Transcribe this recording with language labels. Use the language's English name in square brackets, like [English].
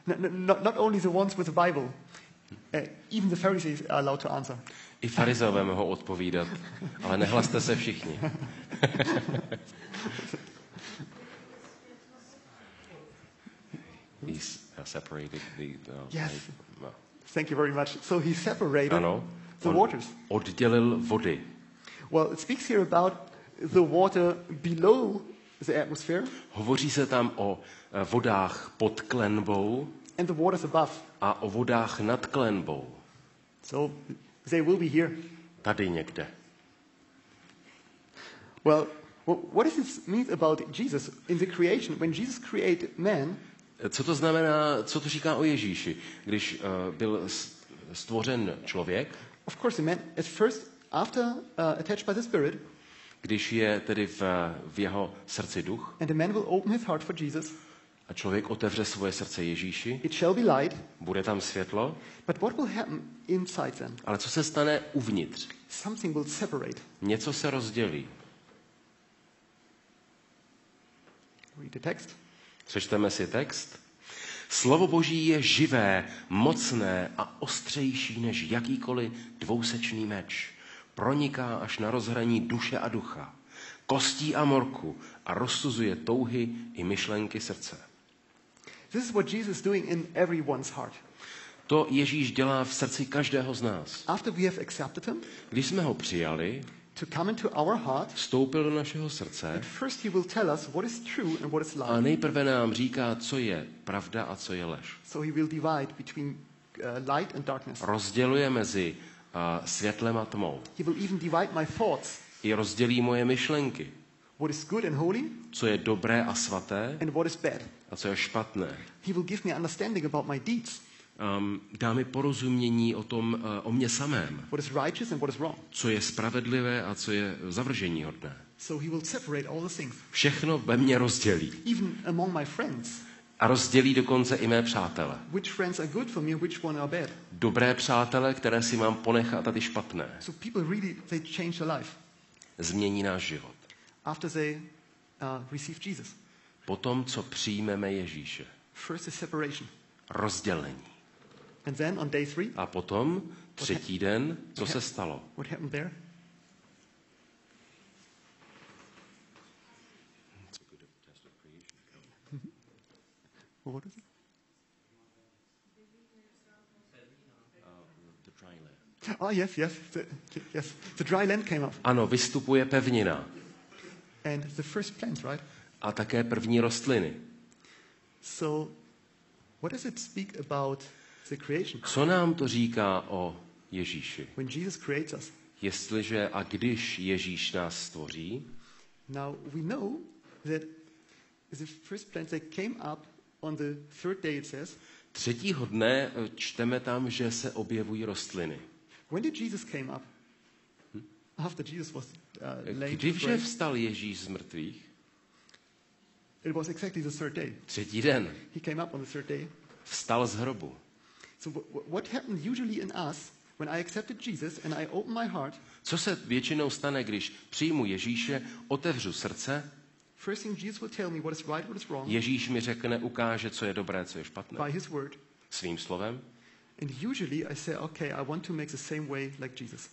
[English] Not only the ones with the Bible. Even the Pharisees are allowed to answer. [Czech] I farizové mohou odpovídat, ale nehlaste se všichni. [English] He's separated the Yes. Thank you very much. So he separated [Czech] ano, [English] the waters. [Czech] Oddělil vody. [English] Well, it speaks here about the water below the atmosphere. [Czech] Hovoří se tam o vodách pod klenbou. [English] And the waters above. [Czech] A o vodách nad klenbou. [English] So they will be here. [Czech] Tady někde. [English] Well, what does this mean about Jesus in the creation? When Jesus created man. [Czech] Co to znamená, co to říká o Ježíši, když byl stvořen člověk? [English] Of course, the man at first after attached by the spirit. [Czech] Když je tedy v jeho srdci duch. [English] And the man will open his heart for Jesus. [Czech] A člověk otevře svoje srdce Ježíši. [English] It shall be light. [Czech] Bude tam světlo. [English] But what will happen inside then? [Czech] Ale co se stane uvnitř? [English] Something will separate. [Czech] Něco se rozdělí. [English] Read the text. [Czech] Přečteme si text. Slovo Boží je živé, mocné a ostřejší než jakýkoliv dvousečný meč. Proniká až na rozhraní duše a ducha, kostí a morku a rozsuzuje touhy i myšlenky srdce. [English] This is what Jesus is doing in everyone's heart. [Czech] To Ježíš dělá v srdci každého z nás. [English] After we have accepted him, [Czech] když jsme ho přijali, [English] to come into our heart, [Czech] vstoupil do našeho srdce. [English] And first he will tell us what is true and what is lie. [Czech] A nejprve nám říká, co je pravda a co je lež. [English] So he will divide between light and darkness. [Czech] Rozděluje mezi světlem a tmou. [English] He will even divide my thoughts. [Czech] I rozdělí moje myšlenky. [English] What is good and holy? [Czech] Co je dobré a svaté? [English] And what is bad? [Czech] A co je špatné? [English] He will give me understanding about my deeds. [Czech] Dá mi porozumění o tom o mě samém. [English] What is righteous and what is wrong? [Czech] Co je spravedlivé a co je zavrženíhodné? [English] So he will separate all the things. [Czech] Všechno ve mně rozdělí. [English] Even among my friends. [Czech] A rozdělí dokonce i mé přátele. [English] Which friends are good for me, which one are bad. [Czech] Dobré přátele, které si mám ponechat, a ty špatné. [English] So people really, they change their life. [Czech] Změní náš život. [English] After they receive Jesus. [Czech] Potom, co přijmeme Ježíše. [English] First is separation. [Czech] Rozdělení. [English] And then on day three. [Czech] A potom třetí den, co se stalo? [English] What happened there? What is it? The dry land. Oh, yes. The dry land came up. [Czech] Ano, vystupuje pevnina. [English] And the first plant, right? [Czech] A také první rostliny. [English] So, what does it speak about the creation? [Czech] Co nám to říká o Ježíši? [English] When Jesus creates us. [Czech] Jestliže a když Ježíš nás stvoří? [English] Now we know that the first plant that came up. On the third day it says. [Czech] Třetího dne čteme tam, že se objevují rostliny. [English] When did Jesus came up? After Jesus was laid. [Czech] Kdyže vstal Ježíš z mrtvých? [English] It was exactly the third day. [Czech] Třetí den. [English] He came up on the third day. [Czech] Vstal z hrobu. [English] So what happened usually in us when I accepted Jesus and I opened my heart? [Czech] Co se většinou stane, když přijmu Ježíše, otevřu srdce? [English] First thing Jesus will tell me what is right, what is wrong. [Czech] Ježíš mi řekne, ukáže, co je dobré, co je špatné. [English] By his word. [Czech] Svým slovem. [English] And usually I say, okay, I want to make the same way like Jesus.